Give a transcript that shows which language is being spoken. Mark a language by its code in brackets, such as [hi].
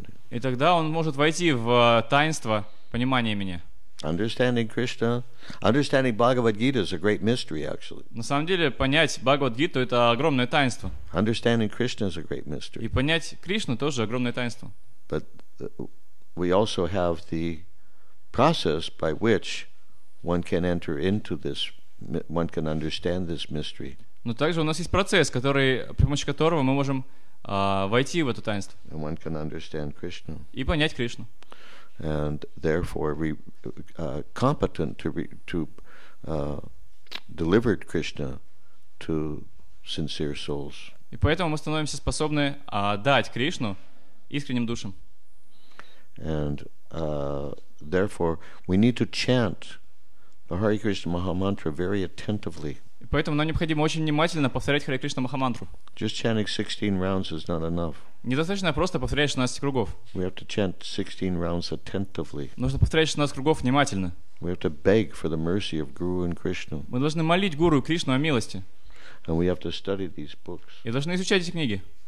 [ru] И тогда он может войти в таинство понимания меня. [en] Understanding Krishna, understanding Bhagavad Gita is a great mystery, actually. [ru] На самом деле понять Бхагавад Гиту это огромное таинство. [en] Understanding Krishna is a great mystery. [ru] И понять Кришну тоже огромное таинство. [en] But we also have the process by which one can enter into this, one can understand this mystery. [ru] Но также у нас есть процесс, который при помощи которого мы можем войти в это таинство. [en] And one can understand Krishna. [ru] И понять Кришну. [en] And therefore, competent deliver Krishna to sincere souls. [ru] И поэтому мы становимся способны дать Кришну искренним душам. [en] And therefore, we need to chant the Hare Krishna Maha Mantra very attentively. [ru] И поэтому нам необходимо очень внимательно повторять Hare Krishna Maha Mantra. [en] Just chanting 16 rounds is not enough. [ru] Недостаточно просто повторять 16 кругов. [en] We have to chant 16 rounds attentively. [ru] Нужно повторять 16 кругов внимательно. [en] We have to beg for the mercy of Guru and Krishna. [ru] Мы должны молить Гуру и Кришну о милости. [en] And we have to study these books. [ru] И должны изучать эти книги.